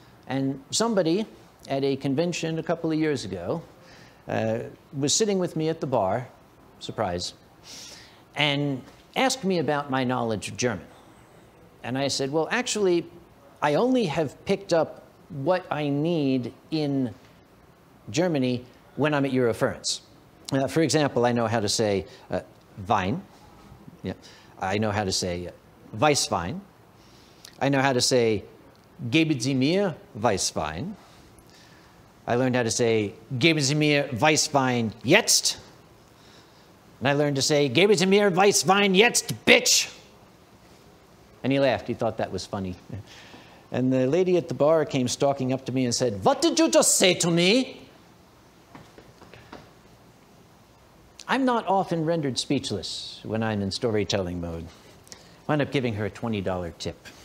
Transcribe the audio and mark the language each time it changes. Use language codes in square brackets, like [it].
[en] And somebody at a convention a couple of years ago was sitting with me at the bar, surprise, and asked me about my knowledge of German. And I said, "Well, actually, I only have picked up what I need in Germany when I'm at Euroferenz. For example, I know how to say Wein. Yeah. I know how to say Weisswein. I know how to say [de] Geben Sie mir Weisswein. [en] I learned how to say [de] Geben Sie mir Weisswein jetzt. [en] And I learned to say [de] Geben Sie mir Weisswein jetzt, [en] bitch." And he laughed. He thought that was funny. And the lady at the bar came stalking up to me and said, "What did you just say to me?" I'm not often rendered speechless when I'm in storytelling mode. I wound up giving her a $20 tip.